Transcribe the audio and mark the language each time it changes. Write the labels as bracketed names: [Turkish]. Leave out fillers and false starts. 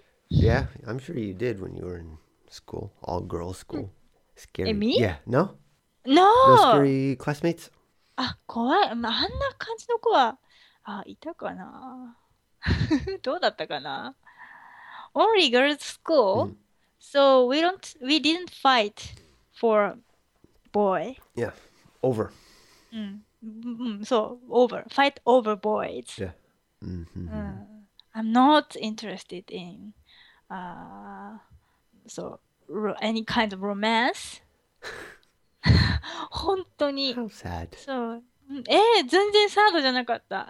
[English] Yeah, I'm sure you did when you were in school, all girls school. え、 Scary. me? Yeah, no? No No! scary classmates? [Japanese] あ、怖い。まあ、あんな感じの子は、いたかな。どうだったかな。 [English] Only girls school, so we didn't fight for boy. Yeah, over. So over, fight over boys. I'm not interested in any kind of romance. [Japanese] 本当に。 [English] How sad. [Japanese] そう。全然サードじゃなかった。